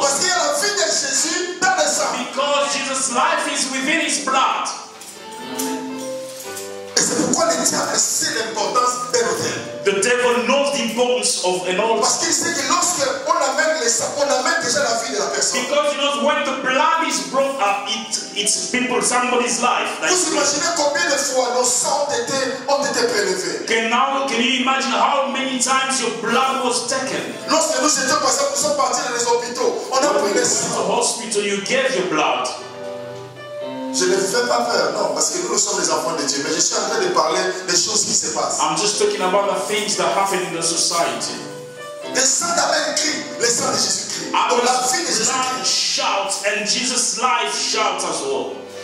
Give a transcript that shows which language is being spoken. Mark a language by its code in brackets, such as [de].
[fr] Parce qu'il y a la vie de Jésus dans le sang. [en] Because Jesus' life is within his blood. [fr] Et c'est pourquoi le diable sait l'importance de l'autel. [en] The devil knows the importance of an altar. [fr] Parce qu'il sait que lorsque on amène les sacs, on amène déjà la vie de la personne. [en] Because you know when the blood is brought up, it's people somebody's life. [fr] Vous imaginez combien de fois nos sangs ont été prélevés? [en] Can you imagine how many times your blood was taken? [fr] Lorsque nous étions passés, nous sommes partis dans les hôpitaux, on a pris les sangs. [en] The hospital, you gave your blood. [fr] Je ne fais pas peur, non, parce que nous sommes les enfants de Dieu. Mais je suis en train de parler des choses qui se passent. [en] I'm just talking about the things that happen in the society. [fr] Le sang d'Abel crie, le sang de Jésus crie. Donc la vie de Jésus crie. [en] Blood shouts and Jesus' life shouts as well.